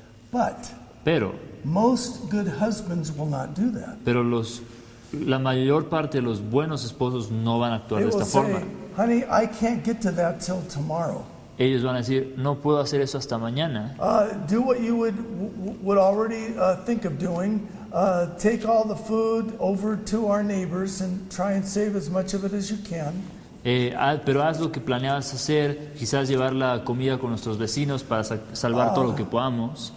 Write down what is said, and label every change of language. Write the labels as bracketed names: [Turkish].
[English] But most good husbands will not do that. [Spanish] Pero la mayor parte de los buenos esposos no van a actuar de esta forma. [English] Honey, I can't get to that till tomorrow. [Spanish] Ellos van a decir, no puedo hacer eso hasta mañana. [English] Do what you would already think of doing. Take all the food over to our neighbors and try and save as much of it as you can. [Spanish] Pero haz lo que planeabas hacer, quizás llevar la comida con nuestros vecinos para salvar todo lo que podamos.